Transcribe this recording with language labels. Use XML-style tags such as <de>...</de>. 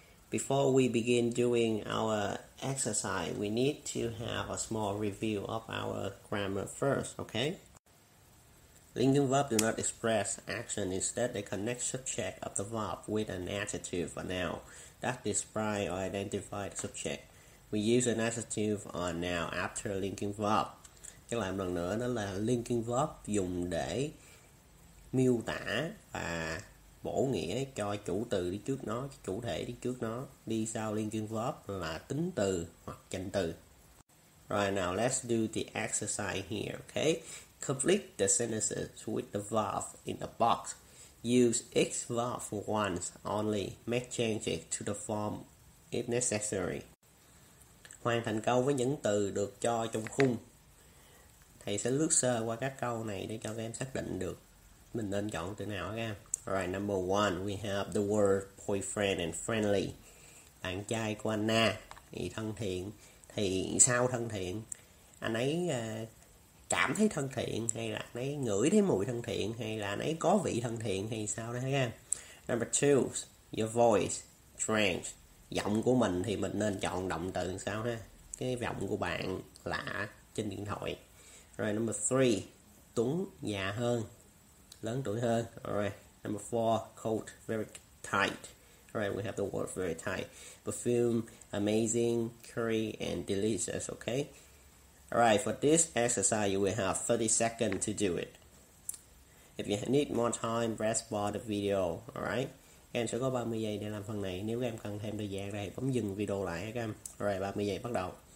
<en>Before we begin doing our exercise, we need to have a small review of our grammar first, okay? Linking verbs do not express action. Instead, they connect subject of the verb with an adjective or noun that describes or identifies the subject. We use an adjective or noun after linking verb.</en> <vi>Chắc là một lần nữa, đó là linking verb dùng để miêu tả và bổ nghĩa cho chủ từ đi trước nó, chủ thể đi trước nó. Đi sau linking verb là tính từ hoặc danh từ.</vi> <en>Right, now let's do the exercise here, okay? Complete the sentences with the verb in the box. Use each verb once only. Make changes to the form if necessary.</en> <vi>Hoàn thành câu với những từ được cho trong khung. Thầy sẽ lướt sơ qua các câu này để cho các em xác định được mình nên chọn từ nào các em.</vi> <en>Alright, number one, we have the word boyfriend and friendly.</en> <vi>Bạn trai của anh Na thì thân thiện. Thì sao thân thiện? Anh ấy cảm thấy thân thiện hay là anh ấy ngửi thấy mùi thân thiện hay là anh ấy có vị thân thiện hay sao đấy các em.</vi> <en>Number two, your voice, strange.</en> <vi>Giọng của mình thì mình nên chọn động từ sao ha. Cái giọng của bạn lạ trên điện thoại.</vi> <en>Right, number three,</en> <vi>Tuấn già hơn, lớn tuổi hơn.</vi> <en>Alright, number four, coat very tight. Alright, we have the word very tight. Perfume amazing, curry and delicious. Okay. Alright, for this exercise, you will have 30 seconds to do it. If you need more time, press pause the video.</en> <vi>Alright, các em sẽ có 30 giây để làm phần này. Nếu các em cần thêm thời gian thì bấm dừng video lại các em. Alright, 30 giây bắt đầu.</vi>